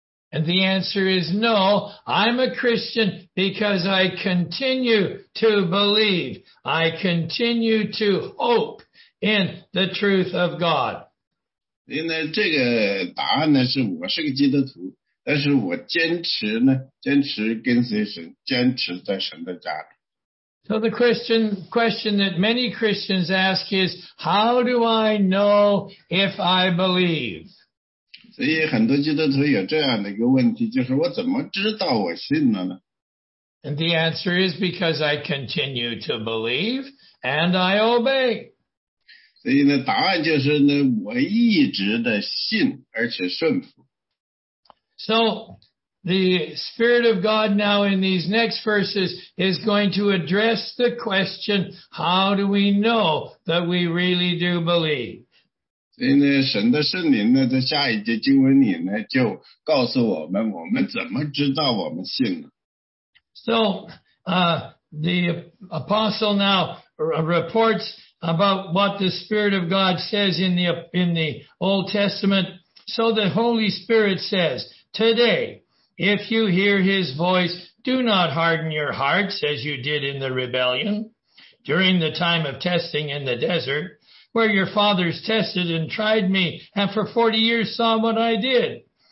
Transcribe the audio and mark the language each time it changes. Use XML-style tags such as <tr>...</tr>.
<en>And the answer is no, I'm a Christian because I continue to believe, I continue to hope in the truth of God.</en> <zh>所以呢，这个答案呢，是我是个基督徒，但是我坚持呢，坚持跟随神，坚持在神的家里。</zh> <en>So the question that many Christians ask is, how do I know if I believe?</en> <zh>所以很多基督徒有这样的一个问题，就是我怎么知道我信了呢？</zh> <en>And the answer is because I continue to believe and I obey.</en> <zh>所以呢，答案就是呢，我一直的信而且顺服。</zh> <en>So,The Spirit of God now in these next verses is going to address the question, how do we know that we really do believe?</en> <zh>所以呢，神的圣灵呢，在下一节经文里呢，就告诉我们，我们怎么知道我们信了。</zh> <en>So, the apostle now reports about what the Spirit of God says in the Old Testament. So the Holy Spirit says, today,If you hear his voice, do not harden your hearts as you did in the rebellion during the time of testing in the desert, where your fathers tested and tried me and for 40 years saw what I did.</en>